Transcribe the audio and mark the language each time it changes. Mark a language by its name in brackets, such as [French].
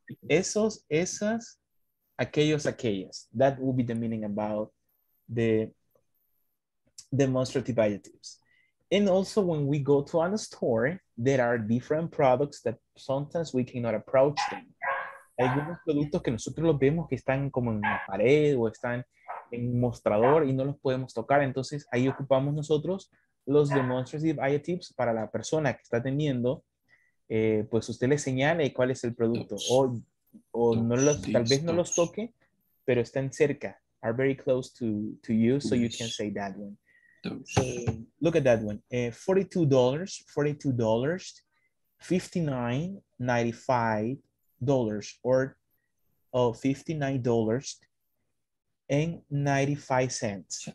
[Spanish] Esos, esas, aquellos, aquellas. [English] That will be the meaning about the demonstrative adjectives. And also when we go to a store, there are different products that sometimes we cannot approach them. [Spanish] Algunos productos que nosotros los vemos que están como en la pared o están en un mostrador y no los podemos tocar. Entonces ahí ocupamos nosotros los demonstrative adjectives para la persona que está atendiendo. Pues usted le señale cuál es el producto. O no los, tal vez no los toque, pero están cerca. [English] Are very close to you, so you can say that one. Look at that one. $42, $42, $59.95, or $59 and 95 cents.